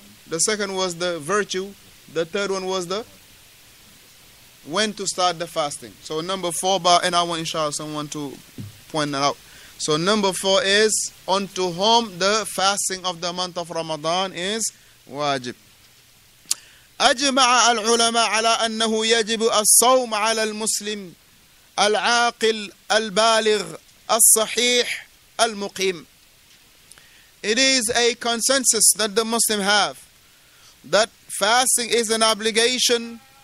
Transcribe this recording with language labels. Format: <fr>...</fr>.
<en>The second was the virtue. The third one was the when to start the fasting. So number four, and I want inshallah someone to point that out. So number four is unto whom the fasting of the month of Ramadan is wajib.</en> <ar>أجمع العلماء على أنه يجب الصوم على المسلم العاقل البالغ الصحيح المقيم.</ar> <en>It is a consensus that the Muslim have that fasting is an obligation.</en>